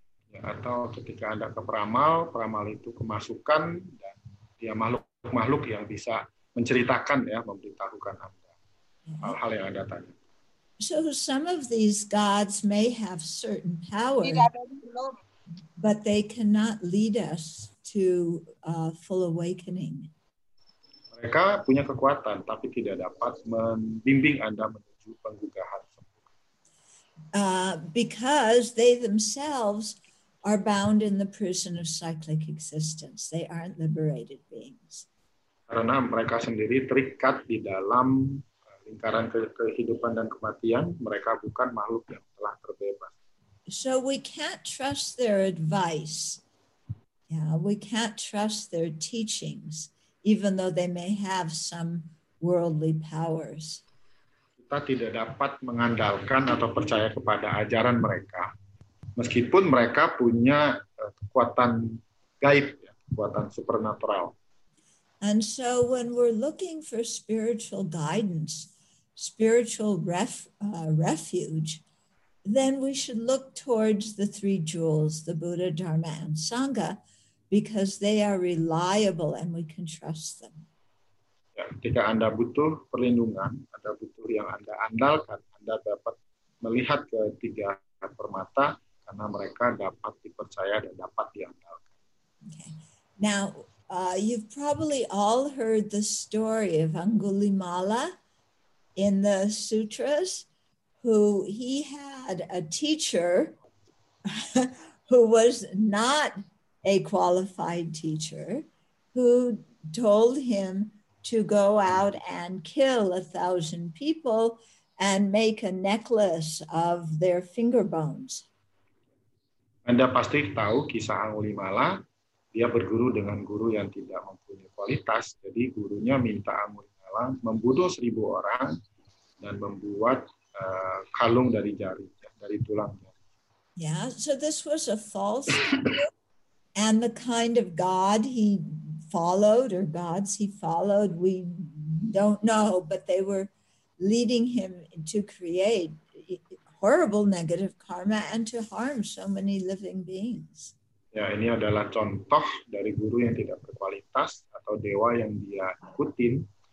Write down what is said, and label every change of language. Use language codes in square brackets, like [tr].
[id] Ya, atau ketika Anda ke peramal, peramal itu kemasukan dan dia makhluk-makhluk yang bisa menceritakan, ya, memberitahukan Anda hal-hal yang Anda tanya. [en] So some of these gods may have certain power. But they cannot lead us to full awakening. [id] Mereka punya kekuatan, tapi tidak dapat membimbing Anda menuju penggugahan sempurna. [en] Because they themselves are bound in the prison of cyclic existence. They aren't liberated beings. [id] Karena mereka sendiri terikat di dalam lingkaran kehidupan dan kematian, mereka bukan makhluk yang telah terbebas. [en] So we can't trust their advice. Yeah, we can't trust their teachings, even though they may have some worldly powers. [id] Kita tidak dapat mengandalkan atau percaya kepada ajaran mereka, meskipun mereka punya kekuatan gaib, kekuatan supernatural. [en] And so when we're looking for spiritual guidance, spiritual refuge, then we should look towards the three jewels, the Buddha, Dharma, and Sangha, because they are reliable and we can trust them. [id] Ya, ketika Anda butuh perlindungan, Anda butuh yang Anda andalkan, Anda dapat melihat ke tiga permata, karena mereka dapat dipercaya dan dapat diandalkan. [en] Okay. Now, you've probably all heard the story of Angulimala in the sutras, who he had a teacher who was not a qualified teacher, who told him to go out and kill 1,000 people and make a necklace of their finger bones. [id] Anda pasti tahu kisah Angulimala. Dia berguru dengan guru yang tidak mempunyai kualitas. Jadi gurunya minta Angulimala membunuh 1,000 orang dan membuat kalung dari jari, dari tulangnya. [en] Yeah, so this was a false teacher, and the kind of god he followed or gods he followed, we don't know, but they were leading him to create horrible negative karma and to harm so many living beings. [id] Ya, ini adalah contoh dari guru yang tidak berkualitas atau dewa yang dia ikutin.